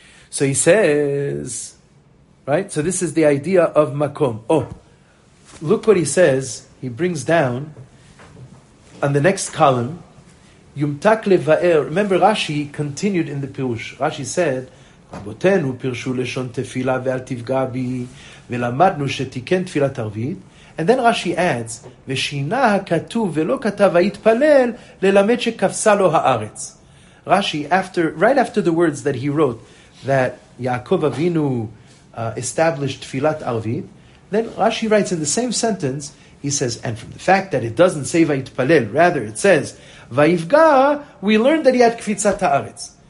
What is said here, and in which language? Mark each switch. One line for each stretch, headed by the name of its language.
English: So he says, right? So this is the idea of makom. Oh, look what he says. He brings down on the next column, yumtak leva'er. Remember, Rashi continued in the Pirush. Rashi said,
Hebrew: רבותינו פירשו לשון תפילה ואל תפגע בי ולמדנו שתיקן תפילת ערבית.
English: And then Rashi adds,
Hebrew: ושינה הכתוב ולא כתב ההתפלל ללמד שכפסה לו הארץ.
English: Rashi, right after the words that he wrote, that Yaakov Avinu established תפילת ערבית, then Rashi writes in the same sentence, he says, and from the fact that it doesn't say ויתפלל, rather it says, ויפגע, we learned that he had קפיצת הארץ.